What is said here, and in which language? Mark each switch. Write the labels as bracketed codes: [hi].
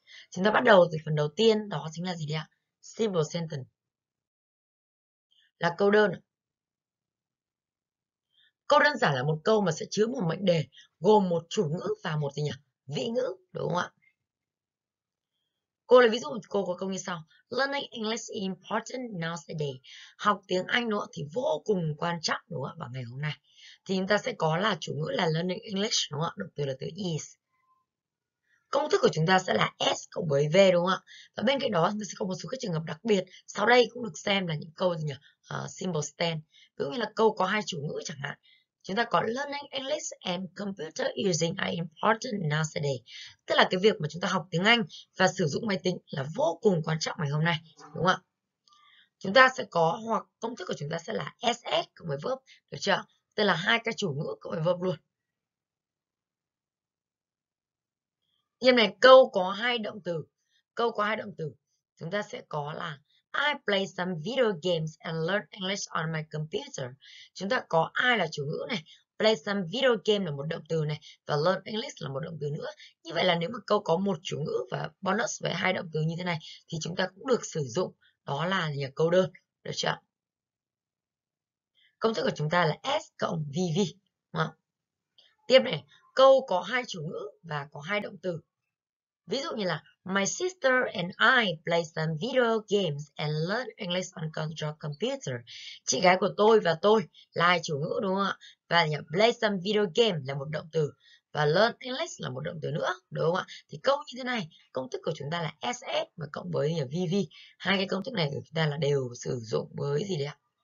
[vi] Chúng ta bắt đầu từ phần đầu tiên, đó chính là gì đấy ạ? [en] Simple sentence [vi] là câu đơn. Câu đơn giản là một câu mà sẽ chứa một mệnh đề gồm một chủ ngữ và một gì nhỉ? Vị ngữ đúng không ạ? Cô lấy ví dụ, cô có câu như sau. [en] Learning English is important nowadays. [vi] Học tiếng Anh nữa thì vô cùng quan trọng đúng không ạ? Vào ngày hôm nay. Thì chúng ta sẽ có là chủ ngữ là [en] learning English [vi] đúng không ạ? Động từ là từ is. Công thức của chúng ta sẽ là S cộng với V đúng không ạ? Và bên cạnh đó chúng ta sẽ có một số các trường hợp đặc biệt. Sau đây cũng được xem là những câu gì nhỉ? [en] Simple stand. [vi] Ví dụ như là câu có hai chủ ngữ chẳng hạn. Chúng ta có [en] learning English and computer using are important nowadays. [vi] Tức là cái việc mà chúng ta học tiếng Anh và sử dụng máy tính là vô cùng quan trọng ngày hôm nay. Đúng không ạ? Chúng ta sẽ có hoặc công thức của chúng ta sẽ là SS cộng với verb. Được chưa? Tức là hai cái chủ ngữ cộng với verb luôn. Như này, câu có hai động từ. Câu có hai động từ. Chúng ta sẽ có là [en] I play some video games and learn English on my computer. [vi] Chúng ta có I là chủ ngữ này. [en] Play some video game [vi] là một động từ này. Và [en] learn English [vi] là một động từ nữa. Như vậy là nếu mà câu có một chủ ngữ và bonus với hai động từ như thế này thì chúng ta cũng được sử dụng. Đó là nhà câu đơn. Được chưa? Công thức của chúng ta là S cộng VV. Đó. Tiếp này. Câu có hai chủ ngữ và có hai động từ. Ví dụ như là [en] My sister and I play some video games and learn English on computer. [vi] Chị gái của tôi và tôi là hai chủ ngữ đúng không ạ? Và nhỉ, [en] play some video game [vi] là một động từ và [en] learn English [vi] là một động từ nữa đúng không ạ? Thì câu như thế này, công thức của chúng ta là SS và cộng với nhỉ, VV. Hai cái công thức này của chúng ta là đều sử dụng với gì đấy ạ?